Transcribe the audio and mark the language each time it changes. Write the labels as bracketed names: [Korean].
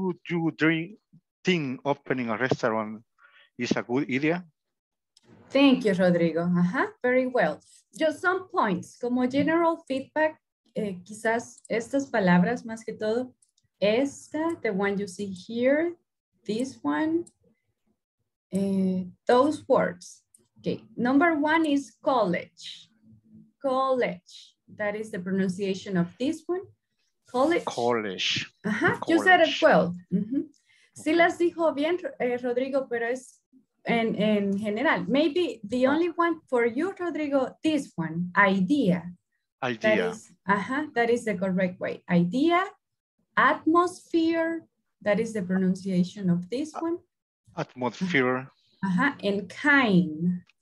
[English] Do you think opening a restaurant is a good idea? Thank you, Rodrigo. Uh-huh. Very well. Just some points. [Spanish] Como [English] general feedback, [Spanish] quizás estas palabras más que todo. [English] Esta, the one you see here, this one, those words. Okay, number one is college. College. That is the pronunciation of this one. College. College. Uh-huh. College. You said it well. Mm-hmm. [Spanish] Sí las dijo bien, Rodrigo, pero es en general. [English] Maybe the only one for you, Rodrigo, this one, idea. Idea. That is the correct way. Idea. Atmosphere, that is the pronunciation of this one. Atmosphere. Uh-huh. And kind.